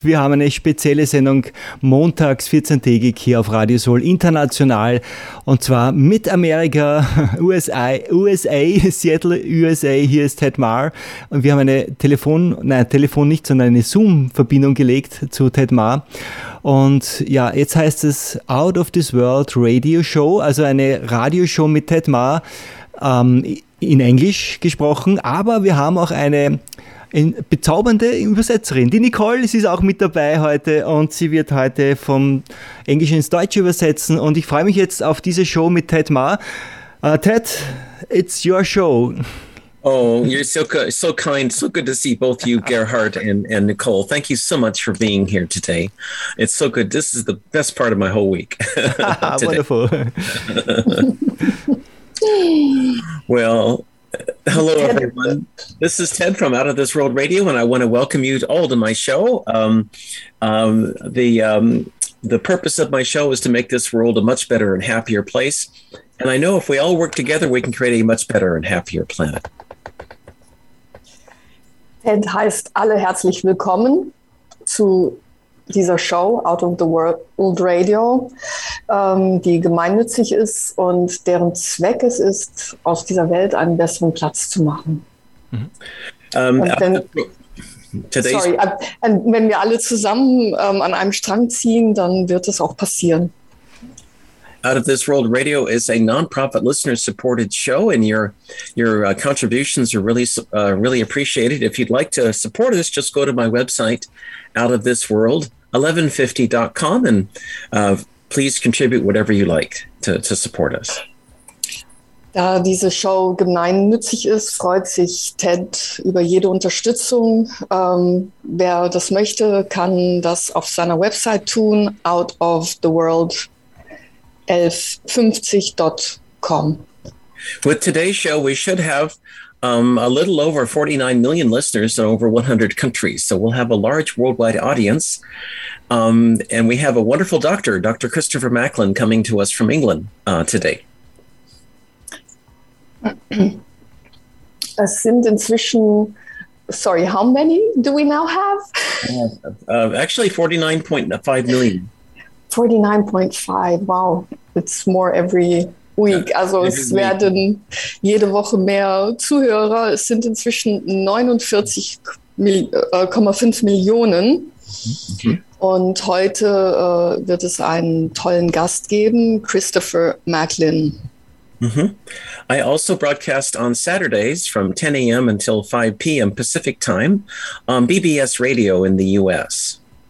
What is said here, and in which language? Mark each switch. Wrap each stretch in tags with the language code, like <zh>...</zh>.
<de>Wir haben eine spezielle Sendung montags 14-tägig hier auf Radio Soul international und zwar mit Amerika, USA, Seattle, USA, hier ist Ted Marr und wir haben eine eine Zoom-Verbindung gelegt zu Ted Marr und ja, jetzt heißt es Out of This World Radio Show, also eine Radioshow mit Ted Marr, in Englisch gesprochen, aber wir haben auch eine bezaubernde Übersetzerin. Die Nicole, sie ist auch mit dabei heute und sie wird heute vom Englischen ins Deutsche übersetzen und ich freue mich jetzt auf diese Show mit Ted Marr.</de> <en>Ted, it's your show. Oh, you're so good, so kind, so good to see both you, Gerhard and Nicole. Thank you so much for being here today. It's so good. This is the best part of my whole week. Wonderful. Well, hello, everyone. This is Ted from Out of This World Radio, and I want to welcome you all to my show. The purpose of my show is to make this world a much better and happier place. And I know if we all work together, we can create a much better and happier planet.</en> <de>Ted heißt alle herzlich willkommen zu dieser Show Out of the World Radio, die gemeinnützig ist und deren Zweck es ist, aus dieser Welt einen besseren Platz zu machen. Und wenn wir alle zusammen an einem Strang ziehen, dann wird es auch passieren.</de> <en>Out of This World Radio is a non-profit listener-supported show, and your contributions are really appreciated. If you'd like to support us, just go to my website, Out of This World. 1150.com and please contribute whatever you like to support us.</en> <de>Da diese Show gemeinnützig ist, freut sich Ted über jede Unterstützung. Wer das möchte, kann das auf seiner Website tun, outoftheworld1150.com.</de> <en>With today's show, we should have a little over 49 million listeners in over 100 countries. So we'll have a large worldwide audience. And we have a wonderful doctor, Dr. Christopher Macklin, coming to us from England today.</en> <de>Es sind inzwischen,</de> <en>sorry, how many do we now have? Actually, 49.5 million. 49.5, wow, it's more every week.</en> <de>Also es werden jede Woche mehr Zuhörer. Es sind inzwischen 49,5 Millionen. Mhm. Und heute wird es einen tollen Gast geben, Christopher Macklin. Mhm.</de> <en>I also broadcast on Saturdays from 10 a.m. until 5 p.m. Pacific Time on BBS Radio in the U.S.</en>